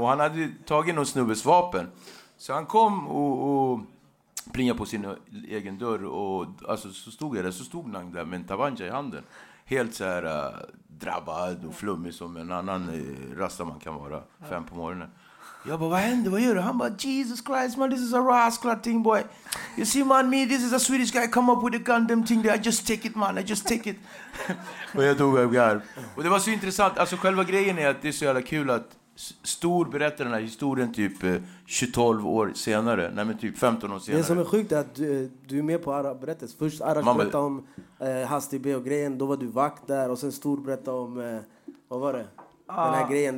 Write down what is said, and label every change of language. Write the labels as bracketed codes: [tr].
[sv] Och han hade tagit någon snubbes vapen. Så han kom och plingade på sin egen dörr och alltså, så stod han där med en tavanja i handen. Helt så här drabbad och flummig som en annan rastaman kan vara 5 på morgonen. Jag bara, vad händer? Vad gör du? Han bara, [en] Jesus Christ man, this is a rascal thing boy. You see man, me, this is a Swedish guy, come up with a gun, them thing, I just take it man, I just take it. [sv] Och jag tog mig här. Och det var så intressant, alltså själva grejen är att det är så jävla kul att Stor berättar den här historien typ 12 år senare. Nej men typ 15 år senare. Det som är sjukt är att du är med på Arash berättelse. Först Arash berättade om Hastig B och grejen. Då var du vakt där. Och sen Stor berättade om vad var det? Den här grejen.